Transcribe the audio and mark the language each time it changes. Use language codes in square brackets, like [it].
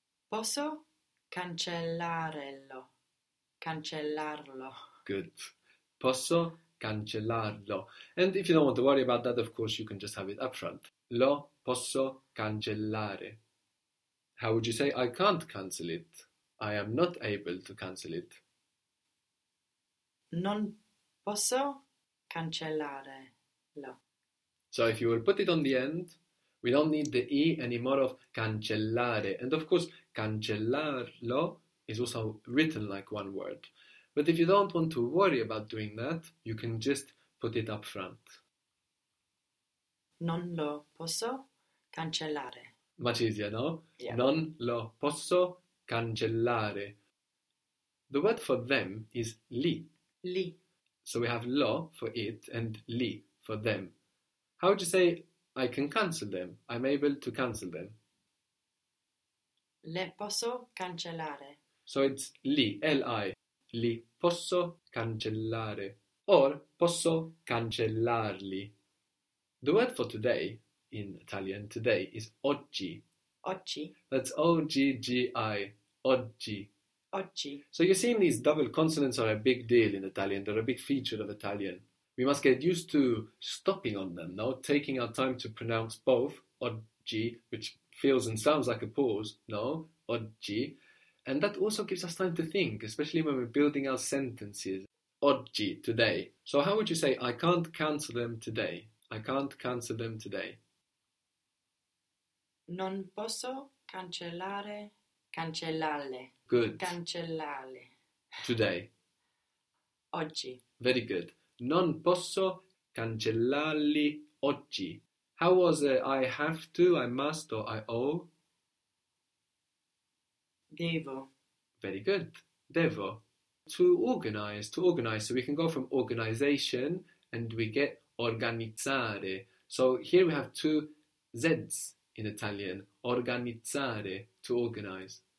[it] Posso cancellarlo. Cancellarlo. Good. Posso cancellarlo. [en] And if you don't want to worry about that, of course, you can just have it up front. [it] Lo posso cancellare. [en] How would you say I can't cancel it? I am not able to cancel it. [it] Non posso cancellare lo. [en] So if you will put it on the end, we don't need the E anymore of cancellare. And of course, cancellarlo is also written like one word. But if you don't want to worry about doing that, you can just put it up front. [it] Non lo posso cancellare. [en] Much easier, no? Yeah. [it] Non lo posso cancellare. [en] The word for them is li. [it] Li. [en] So we have lo for it and li for them. How would you say I can cancel them? I'm able to cancel them. [it] Le posso cancellare. [en] So it's [it] li, L-I. Li posso cancellare. Or posso cancellarli. [en] The word for today in Italian, today, is oggi. [it] Oggi. [en] That's O-G-G-I. Oggi. [it] Oggi. [en] So you're seeing these double consonants are a big deal in Italian. They're a big feature of Italian. We must get used to stopping on them, no? Taking our time to pronounce both oggi, which feels and sounds like a pause, no? Oggi. And that also gives us time to think, especially when we're building our sentences. Oggi, today. So how would you say, I can't cancel them today? I can't cancel them today. [it] Non posso cancellare, cancellarle. [en] Good. [it] Cancellarle. [en] Today. [it] Oggi. [en] Very good. [it] Non posso cancellarli oggi. [en] How was I have to, I must, or I owe? [it] Devo. [en] Very good. Devo. To organize. To organize. So we can go from organization and we get organizzare. So here we have two Z's in Italian. Organizzare. To organize.